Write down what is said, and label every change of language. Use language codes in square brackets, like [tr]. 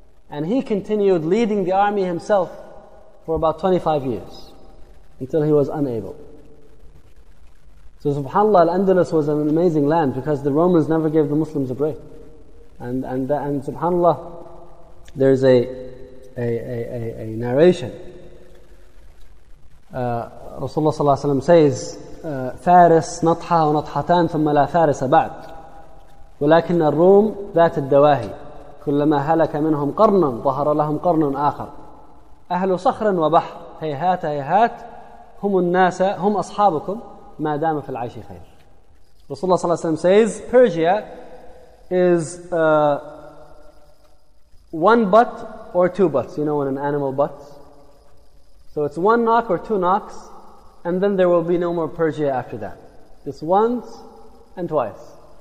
[en] And he continued leading the army himself for about 25 years until he was unable. So subhanAllah, Al-Andalus was an amazing land because the Romans never gave the Muslims a break. And subhanAllah, there's a narration. [ar] Rasulullah sallallahu alayhi wa sallam says, فارس نطحة ونطحتان ثم لا فارس بعد ولكن الروم ذات الدواهي كلما هلك منهم قرن ظهر لهم قرن آخر. أهل صخر وبحر هيهات هيهات هم الناس هم أصحابكم ما دام في العيش خير. [en] رسول الله صلى الله عليه وسلم says Persia is one butt or two butts. You know when an animal butts. So it's one knock or two knocks, and then there will be no more Persia after that. It's once and twice.